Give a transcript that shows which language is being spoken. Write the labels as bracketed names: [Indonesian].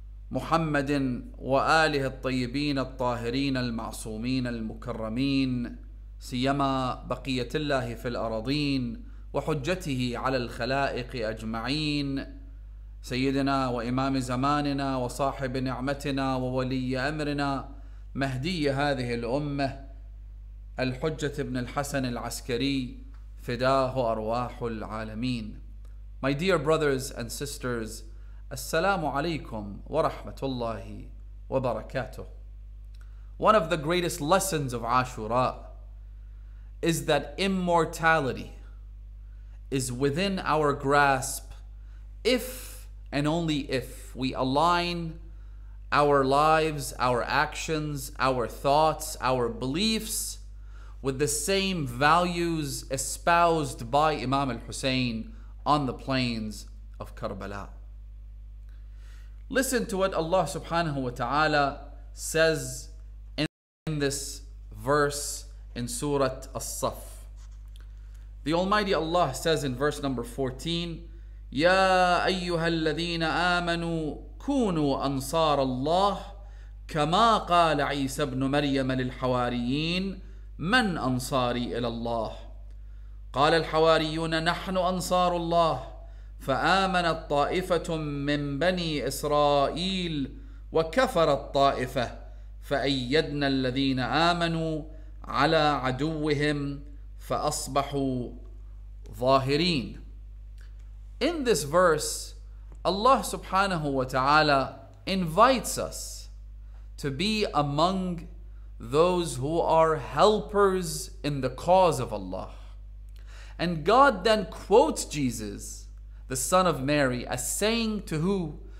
[Arabic] محمد وآله الطيبين الطاهرين المعصومين المكرمين سيما بقية الله في الأراضين وحجته على الخلائق أجمعين سيدنا وإمام زماننا وصاحب نعمتنا وولي أمرنا مهدي هذه الأمة الحجة ابن الحسن العسكري فداه أرواح العالمين. [English] My dear brothers and sisters, [Arabic] السلام عليكم ورحمة الله وبركاته. [English] One of the greatest lessons of Ashura is that immortality is within our grasp if and only if we align our lives, our actions, our thoughts, our beliefs with the same values espoused by Imam al-Hussein on the plains of Karbala. Listen to what Allah subhanahu wa ta'ala says in this verse in Surah As-Saff. The Almighty Allah says in verse number 14, [Arabic] يَا أَيُّهَا الَّذِينَ آمَنُوا كونوا أنصار الله كما قال عيسى بن مريم للحواريين من أنصاري إلى الله قال الحواريون نحن أنصار الله فآمن الطائفة من بني إسرائيل وكفر الطائفة فأيدنا الذين آمنوا على عدوهم فأصبحوا ظاهرين. [English] In this verse, Allah subhanahu wa ta'ala invites us to be among those who are helpers in the cause of Allah. And God then quotes Jesus, the son of Mary, as saying to who?